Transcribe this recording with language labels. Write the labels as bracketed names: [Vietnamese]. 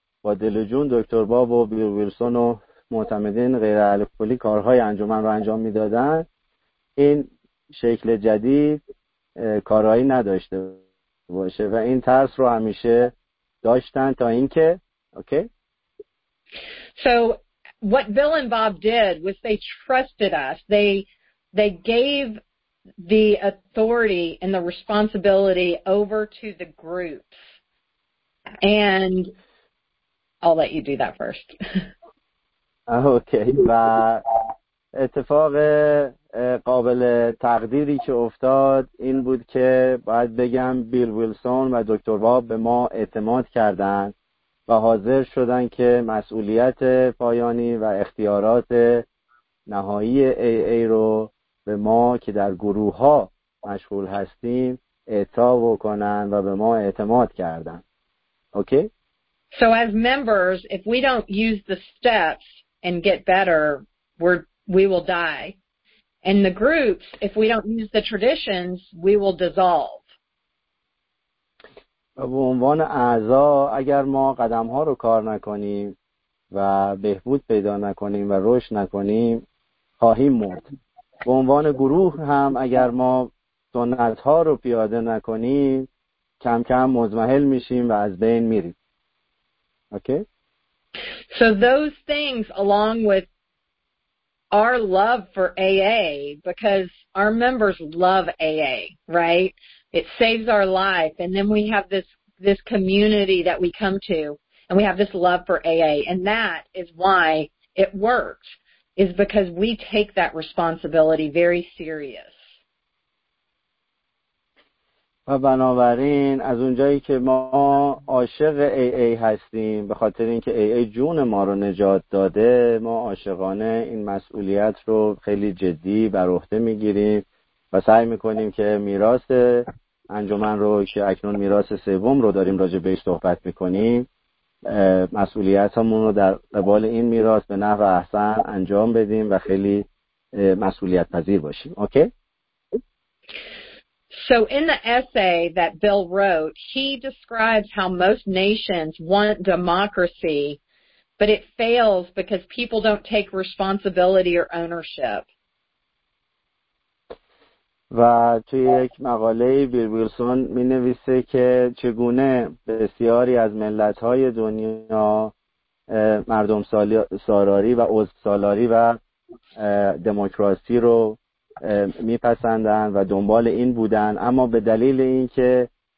[Persian] با دل جون دکتر باب و بیل ویلسون و معتمدین غیر الکلی کارهای انجمن رو انجام میدادن، این شکل جدید کارهایی نداشته باشه و این ترس رو همیشه داشتن تا اینکه اوکی. [English] So what Bill and Bob did was they trusted us. They gave the authority and the responsibility over to the groups. And I'll let you do that first. Okay. [Persian] و اتفاق قابل تقدیری که افتاد این بود که باید بگم بیل ویلسون و دکتر باب به ما اعتماد کردن و حاضر شدن که مسئولیت پایانی و اختیارات نهایی AA رو به ما که در گروه ها مشغول هستیم اعطا بکنن و به ما اعتماد کردن. [English] Okay? So as members, if we don't use the steps and get better, we will die. And the groups, if we don't use the traditions, we will dissolve. [Persian] و به عنوان اعضا اگر ما قدم ها رو کار نکنیم و بهبود پیدا نکنیم و رشد نکنیم خواهیم مرد. به عنوان گروه هم اگر ما سنت ها رو پیاده نکنیم کم کم مزمحل میشیم و از بین میریم. [English] Okay? So those things along with our love for AA, because our members love AA, right? It saves our life. And then we have this community that we come to, and we have this love for AA. And that is why it worked, is because we take that responsibility very serious. [Persian] و بنابراین از اونجایی که ما عاشق AA هستیم به خاطر اینکه AA جون ما رو نجات داده، ما عاشقانه این مسئولیت رو خیلی جدی بر عهده میگیریم و سعی میکنیم که میراث انجمن رو که اکنون میراث سوم رو داریم راجع بهش صحبت میکنیم، مسئولیتامون رو در قبال این میراث به نحو احسن انجام بدیم و خیلی مسئولیت پذیر باشیم. [English] Okay? So in the essay that Bill wrote, he describes how most nations want democracy, but it fails because people don't take responsibility or ownership. [Persian] و توی یک مقاله بیل ویلسون می نویسه که چگونه بسیاری از ملت‌های دنیا مردم سالاری و عضو سالاری و دموکراسی رو میپسندن و دنبال این بودن، اما به دلیل اینکه